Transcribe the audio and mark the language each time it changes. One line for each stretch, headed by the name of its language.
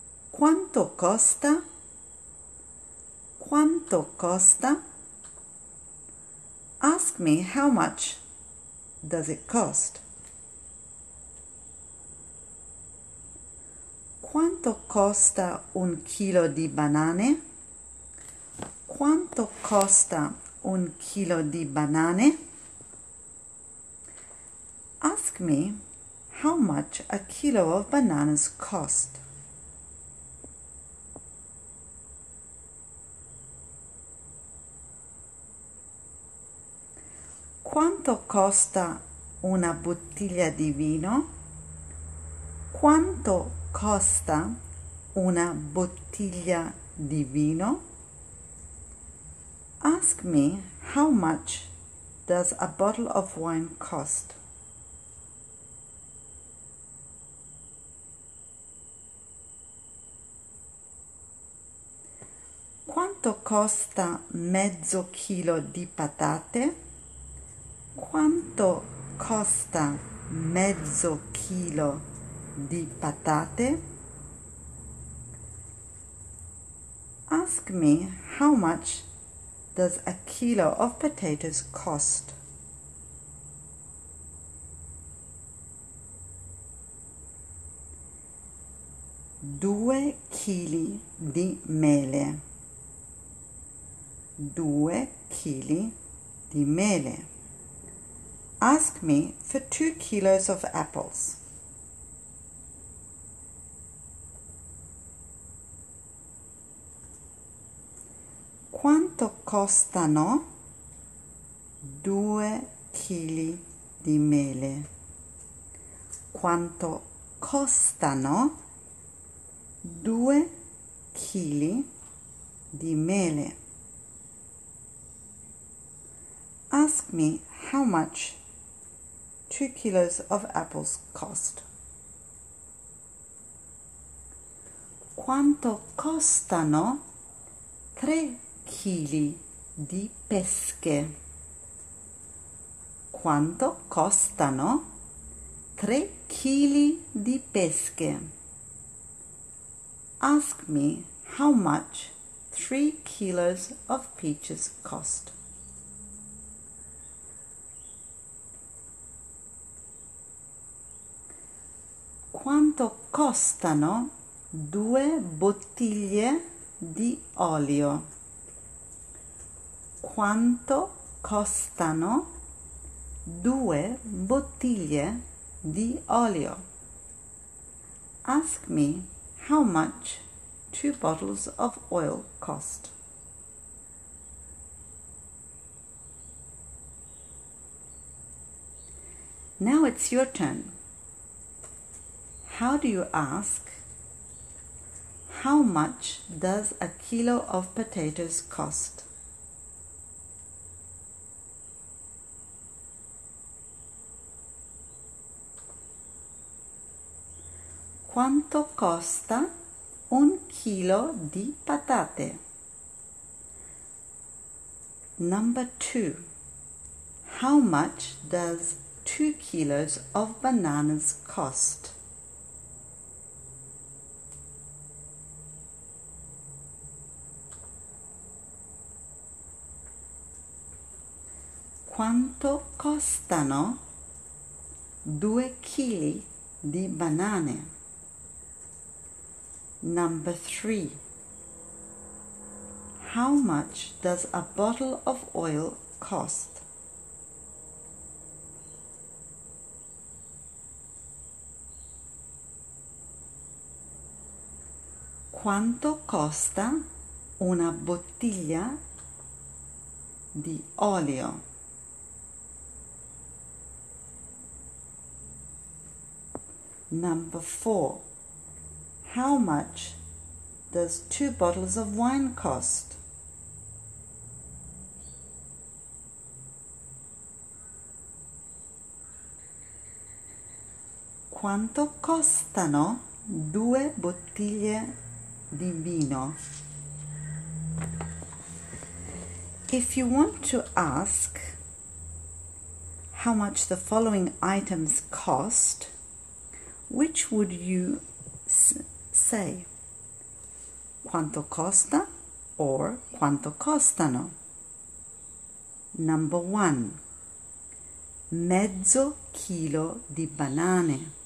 Italian: Quanto costa? Quanto costa?
English: Ask me how much does it cost?
Italian: Quanto costa un chilo di banane? Quanto costa un chilo di banane?
English: Ask me how much a kilo of bananas cost.
Italian: Quanto costa una bottiglia di vino? Quanto costa una bottiglia di vino?
English: Ask me how much does a bottle of wine cost?
Italian: Quanto costa mezzo chilo di patate? Quanto costa mezzo chilo di patate?
English: Ask me how much does a kilo of potatoes cost?
Italian: Due chili di mele. Due chili di mele.
English: Ask me for 2 kilos of apples.
Italian: Quanto costano 2 chili di mele? Quanto costano 2 chili di mele?
English: Ask me how much 2 kilos of apples cost.
Italian: Quanto costano 3 chili di pesche? Quanto costano 3 chili di pesche?
English: Ask me how much 3 kilos of peaches cost.
Italian: Quanto costano 2 bottiglie di olio? Quanto costano 2 bottiglie di olio?
English: Ask me how much 2 bottles of oil cost. Now it's your turn. How do you ask, how much does a kilo of potatoes cost?
Italian: Quanto costa un chilo di patate?
English: Number 2. How much does 2 kilos of bananas cost?
Italian: Quanto costano 2 chili di banane?
English: Number 3. How much does a bottle of oil cost?
Italian: Quanto costa una bottiglia di olio.
English: Number 4. How much does 2 bottles of wine cost?
Italian: Quanto costano 2 bottiglie di vino?
English: If you want to ask how much the following items cost, which would you say?
Italian: Quanto costa or quanto costano?
English: Number 1.
Italian: Mezzo chilo di banane.